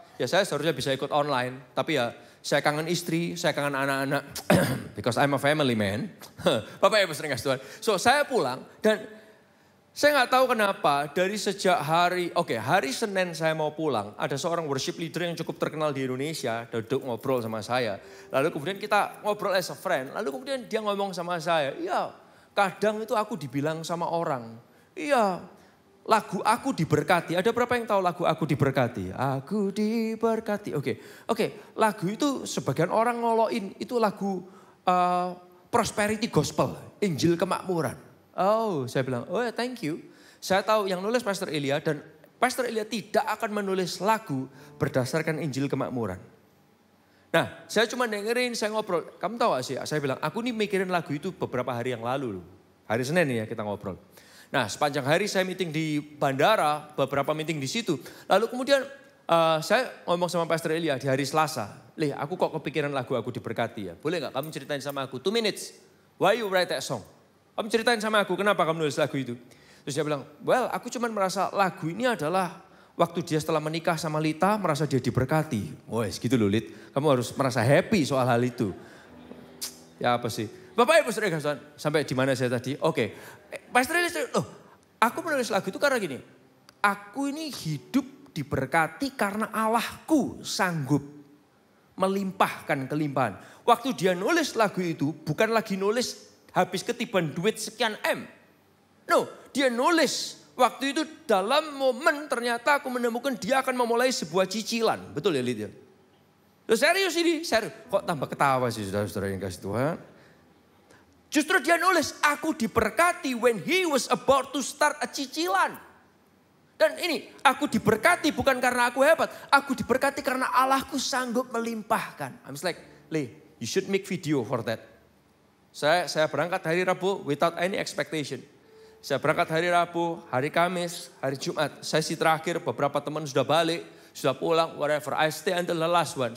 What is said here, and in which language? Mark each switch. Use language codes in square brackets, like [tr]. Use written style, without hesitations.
[id] Ya saya seharusnya bisa ikut online. Tapi ya. Saya kangen istri, saya kangen anak-anak. [en] Because I'm a family man. [id] Bapak Ibu Sering Kasih Tuhan. So saya pulang dan saya gak tahu kenapa dari sejak hari, hari Senin saya mau pulang. Ada seorang worship leader yang cukup terkenal di Indonesia. Duduk ngobrol sama saya. Lalu kemudian kita ngobrol [en] as a friend. [id] Lalu kemudian dia ngomong sama saya. Iya, kadang itu aku dibilang sama orang. Iya, lagu Aku Diberkati. Ada berapa yang tahu lagu Aku Diberkati? Aku diberkati. Oke. Lagu itu sebagian orang ngoloin. Itu lagu prosperity gospel. Injil kemakmuran. Oh, saya bilang, [en] thank you. [id] Saya tahu yang nulis Pastor Elia. Dan Pastor Elia tidak akan menulis lagu berdasarkan Injil kemakmuran. Nah, saya cuma dengerin, saya ngobrol. Kamu tahu gak sih? Saya bilang, aku nih mikirin lagu itu beberapa hari yang lalu. Hari Senin nih ya kita ngobrol. Nah sepanjang hari saya meeting di bandara, beberapa meeting di situ. Lalu kemudian saya ngomong sama Pastor Elia di hari Selasa. Lih, aku kok kepikiran lagu Aku Diberkati ya. Boleh gak kamu ceritain sama aku? [en] 2 minutes, why you write that song? [id] Kamu ceritain sama aku, kenapa kamu nulis lagu itu? Terus dia bilang, [en] well [id] aku cuma merasa lagu ini adalah waktu dia setelah menikah sama Lita, merasa dia diberkati. Wes gitu loh Lit, kamu harus merasa happy soal hal itu. Ya apa sih? Bapak Ibu Saudara Kasihan, sampai di mana saya tadi? Pastor Elia, aku menulis lagu itu karena gini. Aku ini hidup diberkati karena Allahku sanggup melimpahkan kelimpahan. Waktu dia nulis lagu itu, bukan lagi nulis habis ketiban duit sekian M. [en] No, [id] dia nulis waktu itu dalam momen ternyata aku menemukan dia akan memulai sebuah cicilan. Betul ya Lydia? Loh, serius ini, serius. Kok tambah ketawa sih saudara-saudara yang kasih Tuhan? Justru dia nulis, aku diberkati [en] when he was about to start a [id] cicilan. Dan ini, aku diberkati bukan karena aku hebat. Aku diberkati karena Allahku sanggup melimpahkan. [en] I'm just like, Lee, you should make video for that. [id] Saya berangkat hari Rabu [en] without any expectation. [id] Saya berangkat hari Rabu, hari Kamis, hari Jumat. Sesi terakhir, beberapa teman sudah balik, sudah pulang, [en] whatever. I stay until the last one.